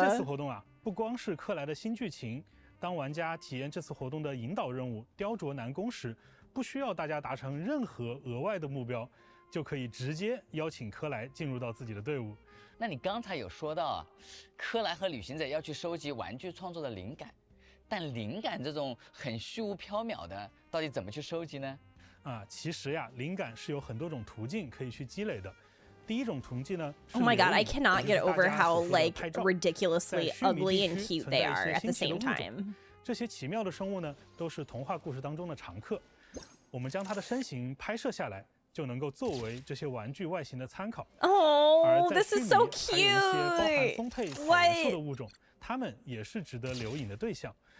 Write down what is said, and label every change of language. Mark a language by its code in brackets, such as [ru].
[zh] 这次活动啊，不光是柯莱的新剧情。当玩家体验这次活动的引导任务“雕琢南宫”时，不需要大家达成任何额外的目标，就可以直接邀请柯莱进入到自己的队伍。那你刚才有说到，柯莱和旅行者要去收集玩具创作的灵感，但灵感这种很虚无缥缈的，到底怎么去收集呢？啊，其实呀，灵感是有很多种途径可以去积累的。第一种途径呢 [en] 是，Oh my God, I cannot get over how like ridiculously ugly and cute they are at the same time. [zh] 这些奇妙的生物呢，都是童话故事当中的常客。我们将它的身形拍摄下来，就能够作为这些玩具外形的参考。 [en] Oh, this is so cute. [zh] 还有一些包含丰沛繁复的物种，它们也是值得留影的对象。